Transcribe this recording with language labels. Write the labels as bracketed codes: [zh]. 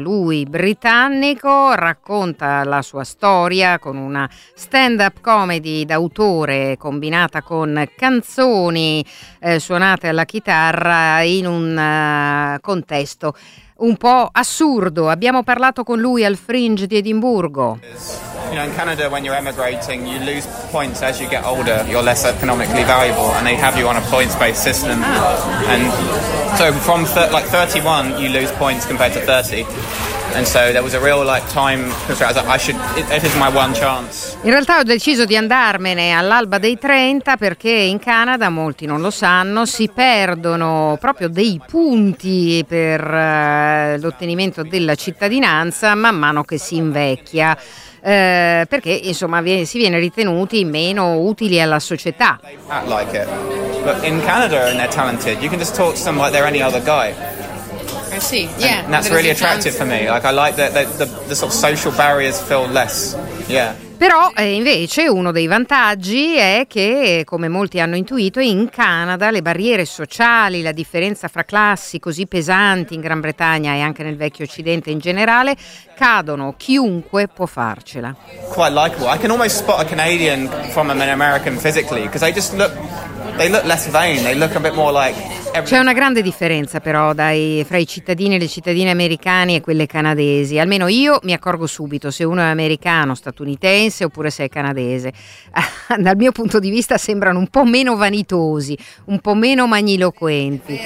[it] Lui britannico racconta la sua storia con una stand-up comedy d'autore combinata con canzoni suonate alla chitarra in un contesto un po' assurdo. Abbiamo parlato con lui al Fringe di Edimburgo. [en] You know, in Canada, when you're emigrating, you lose points as you get older. You're less economically valuable, and they have you on a points-based system. And so from like 31, you lose points compared to 30. And so there was a real like time constraint. I was like, it is my one chance. [it] In realtà ho deciso di andarmene all'alba dei 30 perché in Canada, molti non lo sanno, si perdono proprio dei punti per l'ottenimento della cittadinanza man mano che si invecchia. Perché insomma si viene ritenuti meno utili alla società. [en] Like it. But in Canada and they're talented. You can just talk to them like they're any other guy. I see. Yeah. And that's really attractive for me. Like I like the sort of social barriers feel less. Yeah. [it] Però invece uno dei vantaggi è che, come molti hanno intuito, in Canada le barriere sociali, la differenza fra classi così pesanti in Gran Bretagna e anche nel vecchio Occidente in generale, cadono. Chiunque può farcela. [en] Quite likeable. I can almost spot a Canadian from an American physically, because they just look, they look less vain, they look a bit more like... [it] C'è una grande differenza però fra i cittadini e le cittadine americani e quelle canadesi. Almeno io mi accorgo subito se uno è americano, statunitense oppure se è canadese. Dal mio punto di vista sembrano un po' meno vanitosi, un po' meno magniloquenti.